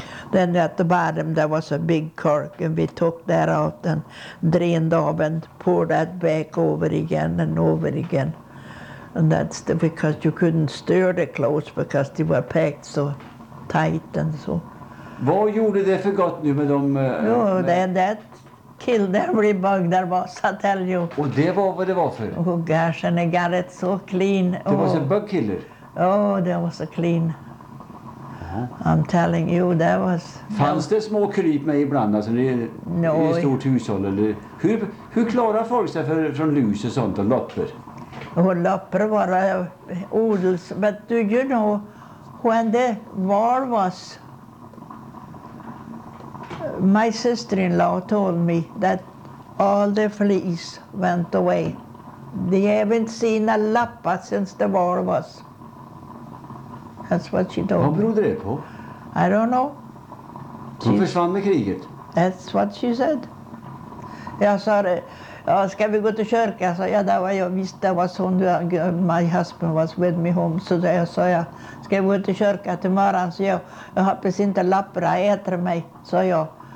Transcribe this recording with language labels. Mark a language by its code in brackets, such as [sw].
[en] Then at the bottom there was a big cork, and we took that out and drained off and poured that back over again and over again. And that's because you couldn't stir the clothes because they were packed so tight and so. [sv] Vad gjorde det för gott nu med dem? [en] That killed every bug there was, I tell you. [sv] Och det var vad det var för? [en] Oh gosh, and I got it so clean. [sv] Det var en bug killer? [en] Oh, that was so clean. Uh-huh. I'm telling you, that was... [sv] Fanns det små kryp med ibland, alltså det är ett stort hushåll? Eller, hur klarar folk sig från lus och sånt och loppor? Och loppor var odels, [en] but do you know when the war was... My sister-in-law told me that all the fleas went away. They haven't seen a lappa since the war was. That's what she told me. [sv] Vad berodde det på? [en] I don't know. [sv] Hon försvann med kriget? [en] That's what she said. [sv] Jag sa det. Ja, ska vi gå till kyrka? Så ja, där var jag. Visst, det var så. [en] My husband was with me home. [sv] Så där sa jag. Ska vi gå till kyrka till morgon? Så jag hoppas inte lappar äter mig. Så jag.